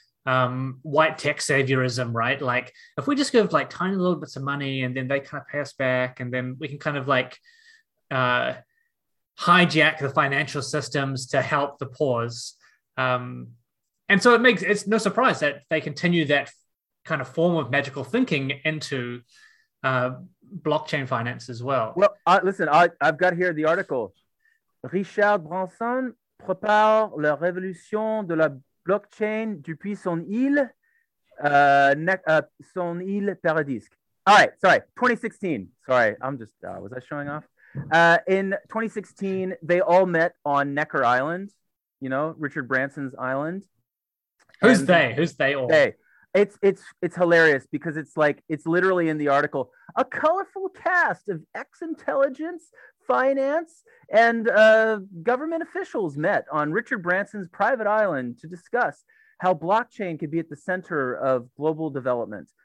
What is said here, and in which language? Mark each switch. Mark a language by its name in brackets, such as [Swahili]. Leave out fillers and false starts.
[English] white tech saviorism, right? Like if we just give like tiny little bits of money and then they kind of pay us back and then we can kind of like hijack the financial systems to help the poor. And so it's no surprise that they continue that kind of form of magical thinking into blockchain finance as well. Well, listen, I've got here the article. [French] Richard Branson prépare la révolution de la blockchain depuis son île paradisque. [English] All right, sorry, 2016. Sorry, I'm just, was I showing off? In 2016, they all met on Necker Island, you know, Richard Branson's island. Who's and they? Who's they all? They. It's hilarious because it's like, it's literally in the article, a colorful cast of ex-intelligence, finance, and government officials met on Richard Branson's private island to discuss how blockchain could be at the center of global development.